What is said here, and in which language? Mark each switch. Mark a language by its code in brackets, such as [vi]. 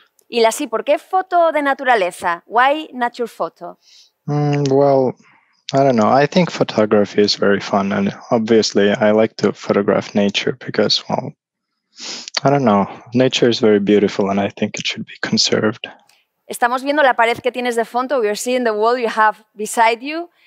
[es] Y Lassi, ¿por qué foto de naturaleza? [en] Why nature photo? Well, I don't know. I think photography is very fun, and obviously I like to photograph nature because, well, I don't know. Nature is very beautiful and I think it should be conserved. [es] Estamos viendo la pared que tienes de fondo. [en] We are seeing the wall you have beside you.